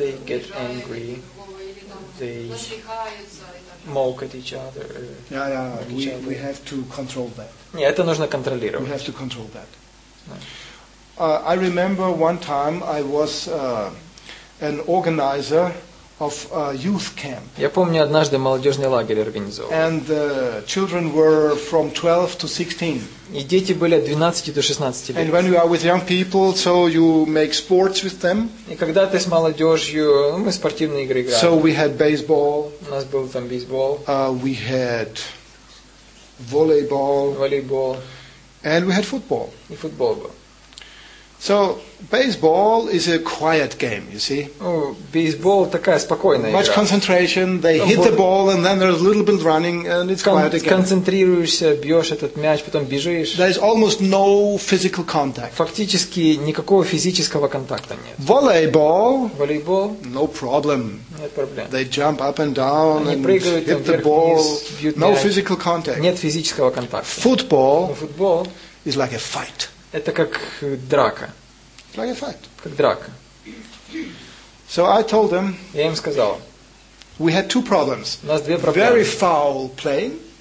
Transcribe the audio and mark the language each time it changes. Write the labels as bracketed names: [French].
[English] If they get angry, they mock at each other. Yeah. We have to control that. [Russian] Не, это нужно контролировать. [English] We have to control that. I remember one time I was an organizer. Of a youth camp. [Russian] Я помню, однажды молодежный лагерь организовал. [English] And the children were from 12 to 16. [Russian] И дети были от 12 до 16 лет. [English] And when you are with young people, so you make sports with them. [Russian] И когда ты с молодежью, ну, мы спортивные игры играли. [English] So we had baseball. [Russian] У нас был там бейсбол. [English] We had volleyball. [Russian] Волейбол. [English] And we had football. [Russian] И футбол был. [English] So baseball is a quiet game, you see. [Russian] Baseball такая спокойная игра. [English] Much concentration. They hit the ball and then there's a little bit running and it's quiet again. [Russian] Концентрируешься, бьешь этот мяч, потом бежишь. [English] There is almost no physical contact. [Russian] Фактически никакого физического контакта нет. [English] Volleyball. No problem. [Russian] Нет проблем. [English] They jump up and down and hit the ball. No physical contact. [Russian] Нет физического контакта. [English] Football is like a fight. [Russian] Это как драка. [English] Like a fight. [Russian] Как драка. [English] So I told them. [Russian] Я им сказал. [English] We had two problems. [Russian] У нас две проблемы. [English] Very foul playing.